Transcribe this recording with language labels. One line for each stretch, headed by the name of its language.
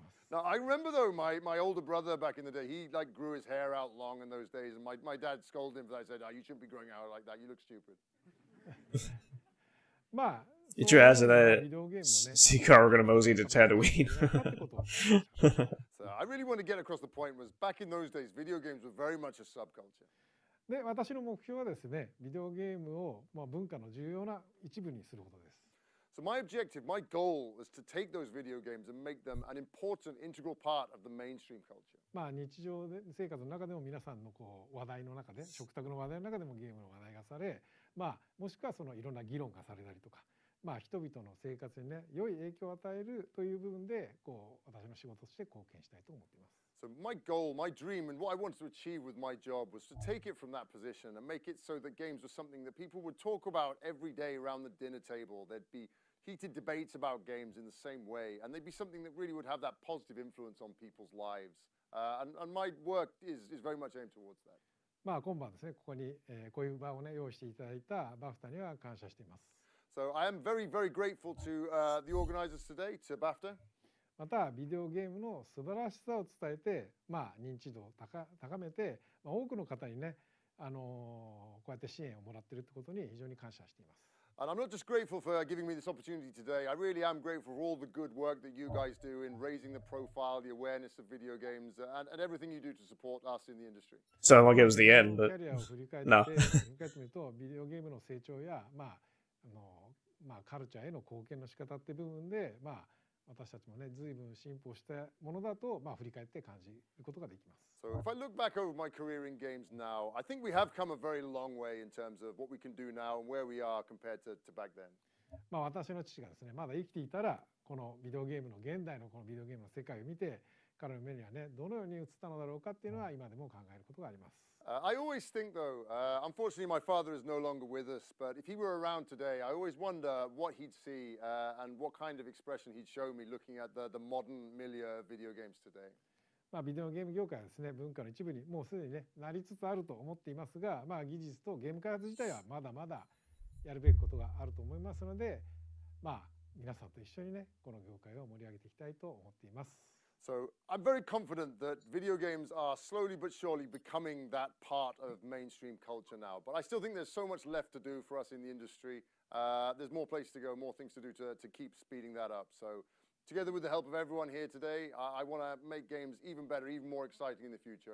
English: Now, I remember though, my older brother back in the day, he like grew his hair out long in those days and my dad scolded him for that. He said, oh, you shouldn't be growing out like that, you look stupid. まあ、 Get your ass in that sea car, we're gonna mosey to Tatooine. So, I really want to get across the point was back in those days, video games were very much a subculture.
Japanese: で、私の目標はですね、ビデオゲームを、まあ、文化の重要な一部にすることです。
English: So my objective, my goal is to take those video games and make them an important, integral part of the mainstream culture.
Japanese: まあ日常で生活の中でも皆さんのこう話題の中で、食卓の話題の中でもゲームの話題がされ、まあもしくはそのいろんな議論がされたりとか、まあ人々の生活にね良い影響を与えるという部分でこう私の仕事として貢献したいと思っています。
English: So my goal, my dream, and what I wanted to achieve with my job was to take it from that position and make it so that games were something that people would talk about every day around the dinner table. There'd be heated debates about games in the same way, and they'd be something that really would have that positive influence on people's lives. And my work is very much aimed towards that.
Japanese: まあ今晩ですね、ここに、こういう場をね、用意していただいたBAFTAには感謝しています。
English: So I am very, very grateful to the organizers today, to BAFTA.
Japanese: またビデオゲームの素晴らしさを伝えて、まあ、認知度を高めて、まあ、多くの方にね、こうやって支援をもらっているということに非常に感謝しています。
English: And I'm not just grateful for giving me this opportunity today. I really am grateful for all the good work that you guys do in raising the profile, the awareness of video games, and everything you do to support us in the industry. So I'll give us the end, but no.
Japanese: 振り返ってみると、ビデオゲームの成長や、まあ、まあ、カルチャーへの貢献の仕方って部分で、まあ、私たちもね、随分進歩したものだと、まあ、振り返って感じることができます。
English: So if I look back over my career in games now, I think we have come a very long way in terms of what we can do now and where we are compared to back then.
Japanese: まあ私の父がですね、まだ生きていたら、このビデオゲームの現代のこのビデオゲームの世界を見て、彼の目にはね、どのように映ったのだろうかっていうのは今でも考えることがあります。
English: I always think though, unfortunately my father is no longer with us, but if he were around today, I always wonder what he'd see and what kind of expression he'd show me looking at the modern milieu of video games today.
Japanese: まあビデオゲーム業界はですね、文化の一部にもうすでにね、なりつつあると思っていますが、まあ技術とゲーム開発自体はまだまだやるべきことがあると思いますので、まあ皆さんと一緒にね、この業界を盛り上げていきたいと思っています。
English: So I'm very confident that video games are slowly but surely becoming that part of mainstream culture now. But I still think there's so much left to do for us in the industry. There's more place to go, more things to do to keep speeding that up. So together with the help of everyone here today, I want to make games even better, even more exciting in the future.